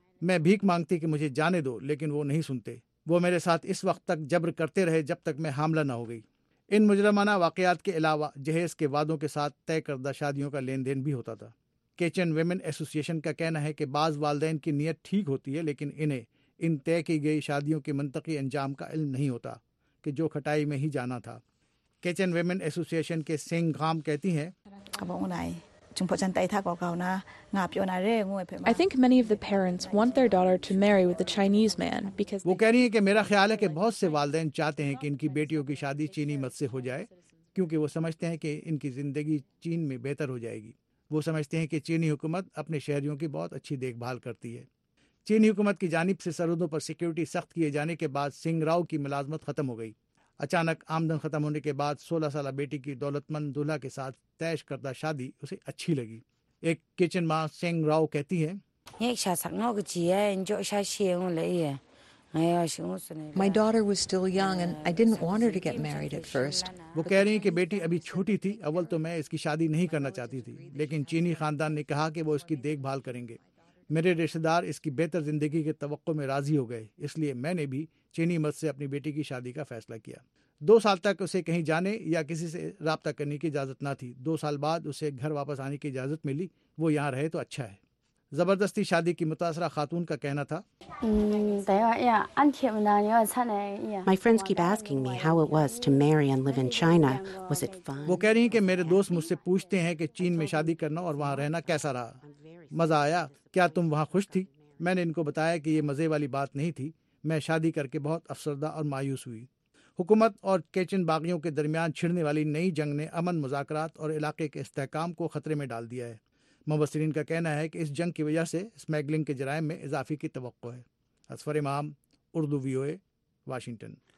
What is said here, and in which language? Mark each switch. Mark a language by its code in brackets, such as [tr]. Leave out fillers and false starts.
[ur] میں بھیک مانگتی کہ مجھے جانے دو لیکن وہ نہیں سنتے وہ میرے ساتھ اس وقت تک جبر کرتے رہے جب تک میں حاملہ نہ ہو گئی ان مجرمانہ واقعات کے علاوہ جہیز کے وعدوں کے ساتھ طے کردہ شادیوں کا لین دین بھی ہوتا تھا کیچن ویمن ایسوسی ایشن کا کہنا ہے کہ بعض والدین کی نیت ٹھیک ہوتی ہے لیکن انہیں ان طے کی گئی شادیوں کے منطقی انجام کا علم نہیں ہوتا کہ جو کھٹائی میں ہی جانا تھا کیچن ویمن ایسوسی ایشن کے سینگ گام کہتی ہیں [en] I think many of the parents want their daughter to marry with a Chinese man because [ur] وہ کہہ رہی ہیں کہ میرا خیال ہے کہ بہت سے والدین چاہتے ہیں کہ ان کی بیٹیوں کی شادی چینی مرد سے ہو جائے کیونکہ وہ سمجھتے ہیں کہ ان کی زندگی چین میں بہتر ہو جائے گی وہ سمجھتے ہیں کہ چینی حکومت اپنے شہریوں کی بہت اچھی دیکھ بھال کرتی ہے چینی حکومت کی جانب سے سرحدوں پر سیکیورٹی سخت کیے جانے کے بعد سنگ راؤ کی ملازمت ختم ہو گئی اچانک آمدن ختم ہونے کے بعد 16 سالہ بیٹی کی دولت مند دولہا کے ساتھ تیش کردہ شادی اسے اچھی لگی ایک کچن ماں سینگ راؤ کہتی ہے [en] My daughter was still young and I didn't want her to get married at first. [ur] وہ کہہ رہی ہیں کہ بیٹی ابھی چھوٹی تھی اول تو میں اس کی شادی نہیں کرنا چاہتی تھی لیکن چینی خاندان نے کہا کہ وہ اس کی دیکھ بھال کریں گے میرے رشتے دار اس کی بہتر زندگی کے توقع میں راضی ہو گئے اس لیے میں نے بھی چینی مرد سے اپنی بیٹی کی شادی کا فیصلہ کیا 2 سال تک اسے کہیں جانے یا کسی سے رابطہ کرنے کی اجازت نہ تھی 2 سال بعد اسے گھر واپس آنے کی اجازت ملی وہ یہاں رہے تو اچھا ہے زبردستی شادی کی متاثرہ خاتون کا کہنا تھا [en] My friends keep asking me how it was to marry and live in China. Was it fun? [ur] وہ کہہ رہی ہیں کہ میرے دوست مجھ سے پوچھتے ہیں کہ چین میں شادی کرنا اور وہاں رہنا کیسا رہا مزہ آیا کیا تم وہاں خوش تھی میں نے ان کو بتایا کہ یہ مزے والی بات نہیں تھی میں شادی کر کے بہت افسردہ اور مایوس ہوئی حکومت اور کیچن باغیوں کے درمیان چھڑنے والی نئی جنگ نے امن مذاکرات اور علاقے کے استحکام کو خطرے میں ڈال دیا ہے مبصرین کا کہنا ہے کہ اس جنگ کی وجہ سے اسمیگلنگ کے جرائم میں اضافے کی توقع ہے اسفر امام اردو وی او اے واشنگٹن